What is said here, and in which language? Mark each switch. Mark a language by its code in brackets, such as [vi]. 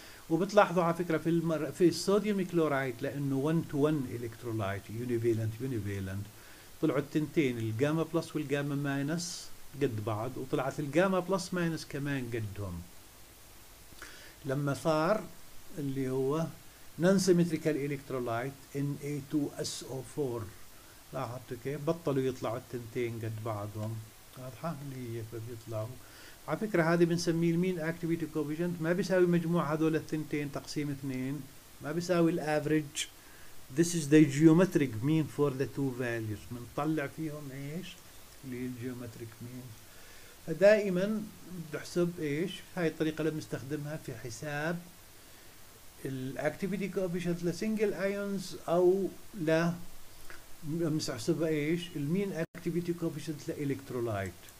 [ar] وبتلاحظوا على فكره في في الصوديوم كلورايد لانه 1 تو 1 الكترولايت يونيفالنت طلعوا التنتين الجاما بلس والجاما ماينس قد بعض، وطلعت الجاما بلس ماينس كمان قدهم لما صار اللي هو نون سيمتريكال الكترولايت Na2SO4. لاحظتوا كيف بطلوا يطلعوا التنتين قد بعضهم؟ واضحه اللي هي بيطلعوا. على فكرة هذه بنسميه المين اكتيفيتي كوفيشنت، ما بيساوي مجموع هذول الثنتين تقسيم اثنين، ما بيساوي الافريج. [en] This is the geometric mean for the two values. [ar] بنطلع فيهم ايش؟ اللي هي الجيومتريك مين. فدائما بتحسب ايش؟ هاي الطريقة اللي بنستخدمها في حساب الاكتيفيتي كوفيشنت لسنجل ايونز، او لا بنحسبها ايش؟ المين اكتيفيتي كوفيشنت لالكترولايت.